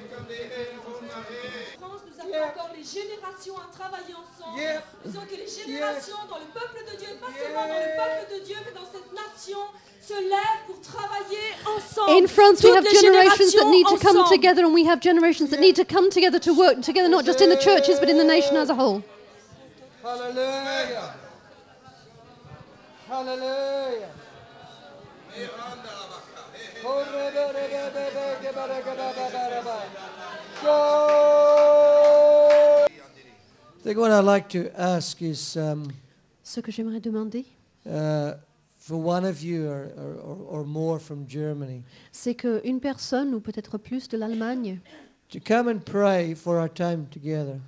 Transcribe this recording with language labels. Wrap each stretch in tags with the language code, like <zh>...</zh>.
<fr>France, nous avons encore les générations à travailler ensemble. Nous avons que les générations dans le peuple de Dieu, pas seulement dans le peuple de Dieu, mais dans cette nation, se lèvent pour travailler ensemble.</fr> <en>In France, we have generations that need to come together, and we have generations that need to come together to work together, not just in the churches, but in the nation as a whole. Hallelujah! Hallelujah! I think what I'd like to ask is</en> <fr>ce que j'aimerais demander</fr> <en>for one of you or more from Germany,</en> <fr>c'est que une personne ou peut-être plus de l'Allemagne</fr> <en>to come and pray for our time together,</en>